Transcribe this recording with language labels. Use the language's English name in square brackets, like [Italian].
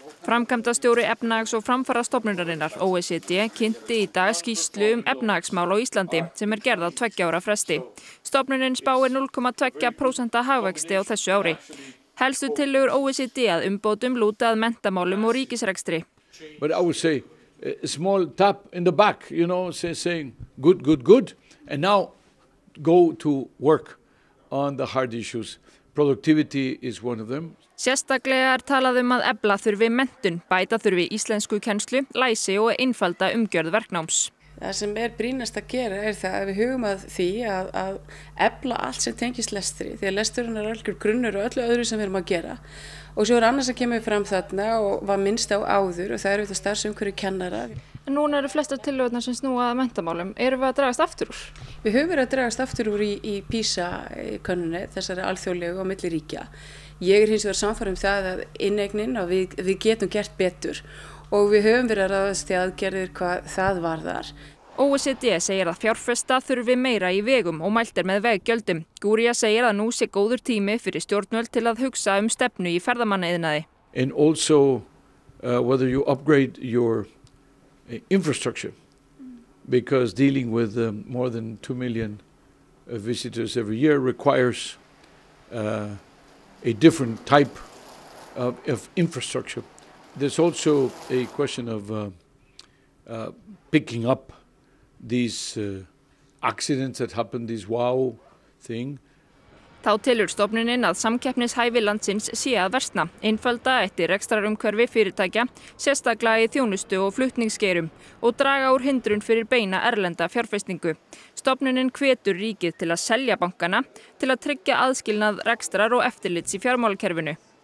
[Icelandic] Framkvæmdastjóri efnahags- og framfarastofnunarinnar OECD kynnti í dag skýrslu efnahagsmál á Íslandi sem gerð á 2 ára fresti. Stofnunin spáir 0,2% hagvexti á þessu ári. Helstu tillögur OECD að umbótum lúta að menntamálum og ríkisrekstri. [English] But I would say a small tap in the back, you know, saying good, good, good and now go to work on the hard issues. Productivity is one of them. [Icelandic] Sérstaklega talað að efla þurfi menntun, bæta þurfi íslensku kennslu, læsi og einfalda umgjörð verknáms. Það sem brýnast að gera það að við hugum að því að efla allt sem tengist lestri, því að lesturinn algjör grunnur og öllu öðru sem við erum að gera. Og svo annars að kemur fram þarna og var minnst á áður og það eru þetta starfsumhverfi kennara. Núna eru flestar tillögurnar sem snúa að menntamálum. Erum við að dragast aftur úr? Við höfum verið að dragast aftur úr í PISA könnunni, þessari alþjóðlegu og milli ríkja. Ég hins vegar samfara það að inneignin og við getum gert betur og við höfum verið að ráðast í aðgerðir hvað það varðar. OECD segir að fjárfesta þurfi meira í vegum og mæltir með veggjöldum. Gúria segir að nú sé góður tími fyrir stjórnvöld til að hugsa stefnu í ferðamannaiðnaði. [English] And also whether you upgrade your infrastructure because dealing with more than 2 million visitors every year requires a different type of infrastructure. There's also a question of picking up these accidents that happen, this wow thing. [Icelandic] Þá telur stofnunin að samkeppnishæfi landsins sé að versna, einfalda ætti rekstrarumhverfi fyrirtækja, sérstaklega í þjónustu og flutningsgeirum og draga úr hindrun fyrir beina erlenda fjárfestingu. Stofnunin hvetur ríkið til að selja bankana til að tryggja aðskilnað rekstrar og eftirlits í fjármálakerfinu.